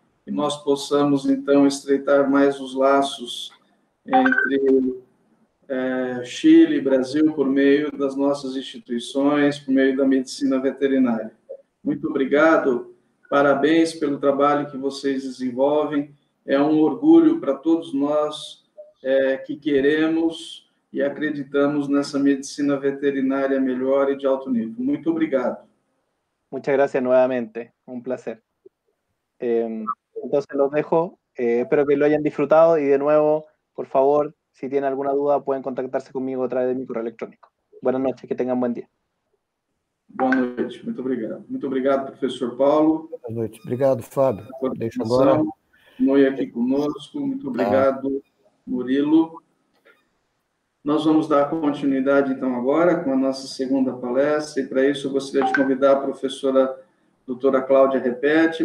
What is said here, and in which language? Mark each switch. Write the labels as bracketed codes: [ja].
[pt] que nós possamos, então, estreitar mais os laços entre Chile e Brasil por meio das nossas instituições, por meio da medicina veterinária. Muito obrigado, parabéns pelo trabalho que vocês desenvolvem. É um orgulho para todos nós que queremos e acreditamos nessa medicina veterinária melhor e de alto nível. Muito obrigado. [es] Muchas gracias nuevamente, un placer. Entonces los dejo, espero que lo hayan disfrutado y de nuevo, por favor, si tienen alguna duda pueden contactarse conmigo a través de mi correo electrónico. Buenas noches, que tengan buen día. Buenas noches, [pt] muito obrigado. Muito obrigado, professor Paulo. Boa noite. Obrigado, Fábio. Deixa agora. Noi aqui conosco, muito obrigado, Murilo. Nós vamos dar continuidade, então, agora com a nossa segunda palestra, e para isso eu gostaria de convidar a professora doutora Cláudia Repete.